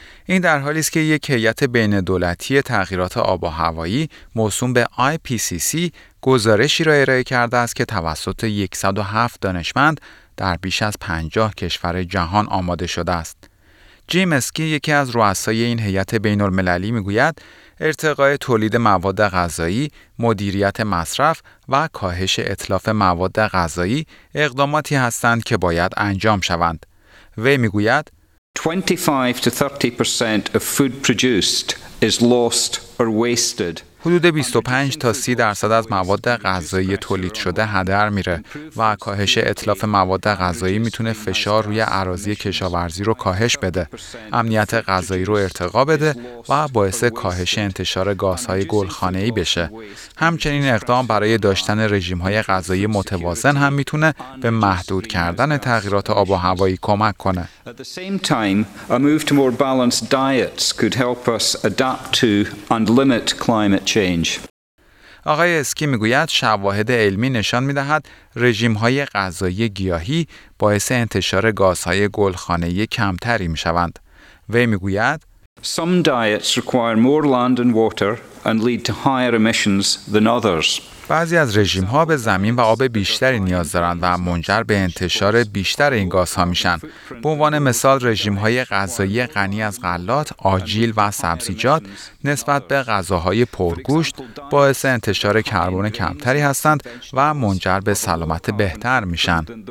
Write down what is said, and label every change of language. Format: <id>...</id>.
<fa>این در حالی است که یک هیئت بین دولتی تغییرات آب و هوایی موسوم به IPCC گزارشی را ارائه کرده است که توسط 107 دانشمند در بیش از 50 کشور جهان آماده شده است. جیم اسکی یکی از رؤسای این هیئت بین المللی می گوید ارتقای تولید مواد غذایی، مدیریت مصرف و کاهش اتلاف مواد غذایی اقداماتی هستند که باید انجام شوند. وی می گوید</fa> <en>25-30% of food produced is lost or wasted.</en> <fa>حدود 25-30% از مواد غذایی تولید شده هدر میره و کاهش اتلاف مواد غذایی میتونه فشار روی اراضی کشاورزی رو کاهش بده، امنیت غذایی رو ارتقا بده و باعث کاهش انتشار گازهای گلخانه‌ای بشه. همچنین اقدام برای داشتن رژیم‌های غذایی متوازن هم میتونه به محدود کردن تغییرات آب و هوایی کمک کنه.</fa> <en>At the same time, a move to more balanced diets could help us adapt to and limit climate change.</en> <fa>آقای اسکی میگوید شواهد علمی نشان می‌دهد رژیم‌های غذایی گیاهی باعث انتشار گازهای گلخانه‌ای کمتری می‌شوند. وی میگوید</fa> <en>Some diets require more land and water and lead to higher emissions than others.</en> <fa>بعضی از رژیم‌ها به زمین و آب بیشتری نیاز دارند و منجر به انتشار بیشتر این گازها میشن. به عنوان مثال رژیم‌های غذایی غنی از غلات، آجیل و سبزیجات نسبت به غذاهای پرگوشت باعث انتشار کربن کمتری هستند و منجر به سلامت بهتر میشن.</fa>